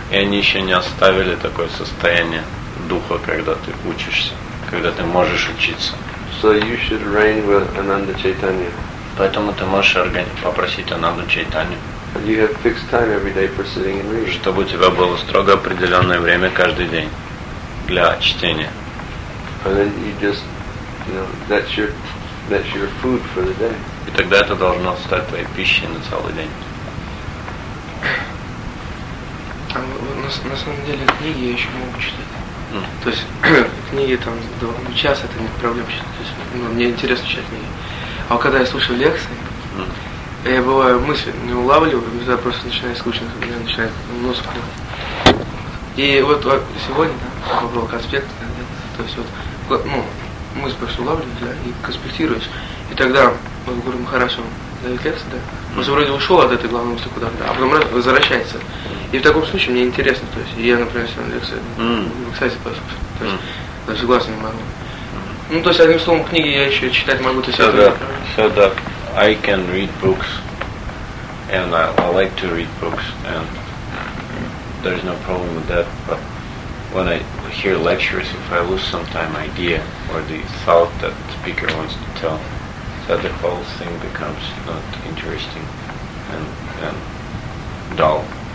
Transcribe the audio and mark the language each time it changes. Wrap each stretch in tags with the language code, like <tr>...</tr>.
<ru>И они еще не оставили такое состояние духа, когда ты учишься, когда ты можешь учиться.</ru> <en>So you should reign with Ananda Chaitanya.</en> <ru>Поэтому ты можешь попросить Ананду Чайтанью.</ru> <en>You have fixed time every day for sitting and reading.</en> <ru>Чтобы у тебя было строго определенное время каждый день для чтения.</ru> <en>And then you just, you know, that's your food for the day.</en> <ru>И тогда это должно стать твоей пищей на целый день. На самом деле книги я еще могу читать. То есть книги там до часа это не проблема читать. То есть, ну, мне интересно читать книги. А когда я слушаю лекции. Я бываю мысли не улавливаю, когда просто начинает скучно, когда начинает нос клевать. И вот сегодня, да, попробовал конспект, да, то есть вот, ну, мысль просто улавливаю, да, и конспектируюсь. И тогда, вот Гуру Махарадж дает лекцию, да, он вроде ушел от этой главной мысли куда-то, да, а потом раз, возвращается. И в таком случае мне интересно, то есть я, например, сегодня лекцию, кстати, послушал, то есть даже глаз не могу. Ну, то есть, одним словом, книги я еще читать могу, то есть это... Все, да.</ru> <en>I can read books, and I like to read books, and there is no problem with that. But when I hear lectures, if I lose sometime idea or the thought that the speaker wants to tell, that the whole thing becomes not interesting and dull.</en>